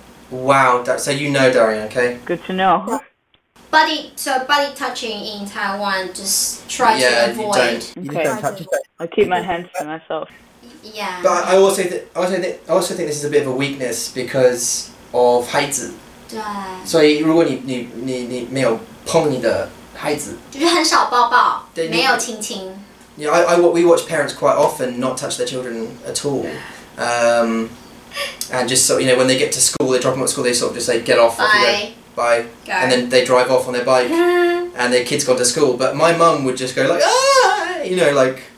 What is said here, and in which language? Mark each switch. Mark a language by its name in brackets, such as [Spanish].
[English] Wow, so you know Darian, okay? Good to know. Body touching in Taiwan, just try to avoid. You don't. Okay. I keep my hands to myself. Yeah. But I also think this is a bit of a weakness because of 孩子. [Chinese] 对。所以如果你没有碰你的孩子，就是很少抱抱，没有亲亲。 [English] Yeah, we watch parents quite often not touch their children at all. And just so you know, when they get to school, they drop them at school. They sort of just say get off. Bye. Off you go. Bye. Go. And then they drive off on their bike, and their kids go to school. But my mum would just go like, ah, you know, like.